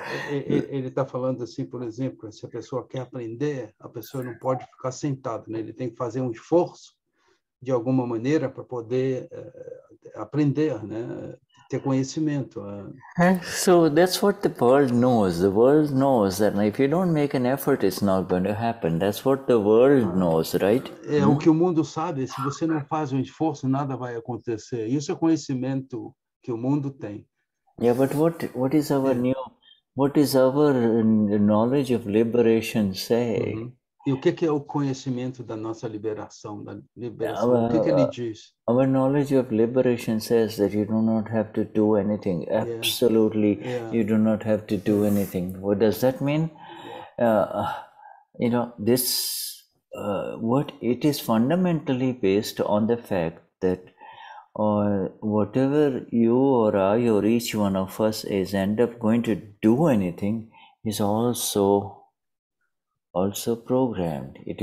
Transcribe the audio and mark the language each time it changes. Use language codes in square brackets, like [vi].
[pt] Ele está falando assim, por exemplo, se a pessoa quer aprender, a pessoa não pode ficar sentada, né? Ele tem que fazer um esforço de alguma maneira para poder aprender, né? Ter conhecimento. [en] So that's what the world knows. The world knows that if you don't make an effort, it's not going to happen. That's what the world knows, right? [pt] É o que o mundo sabe. Se você não faz um esforço, nada vai acontecer. Isso é conhecimento que o mundo tem. [en] Yeah, but what is our new, what is our knowledge of liberation say? [pt] E o que que é o conhecimento da nossa liberação, da liberação? Our, o que que ele diz? [en] Our knowledge of liberation says that you do not have to do anything. Absolutely, yeah. Yeah. You do not have to do anything. What does that mean? You know, this, what it is fundamentally based on the fact that or whatever you or I or each one of us is end up going to do anything is also programmed.